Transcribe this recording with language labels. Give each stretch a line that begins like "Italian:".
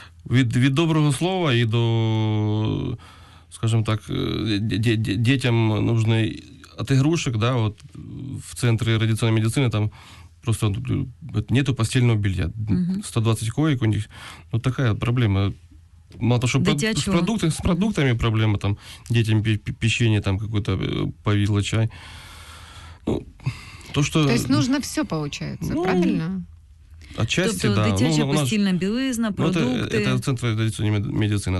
Ukrainian: Від доброго слова і до, скажімо так, дітям потрібно от ігрушок, да, от в центрі радіаційної медицини там просто
Russian: нету постельного белья. 120 коек у них. Ну, такая проблема. Мало того, что с продуктами проблема. Там, детям печенье, там, какое-то повидло, чай. Ну, то, что... То есть нужно все, получается, ну, правильно? Отчасти,
Ukrainian: тобто, да. Тобто дитяча, ну, постільна білизна, продукти. Ну, це центр традиційної медицини.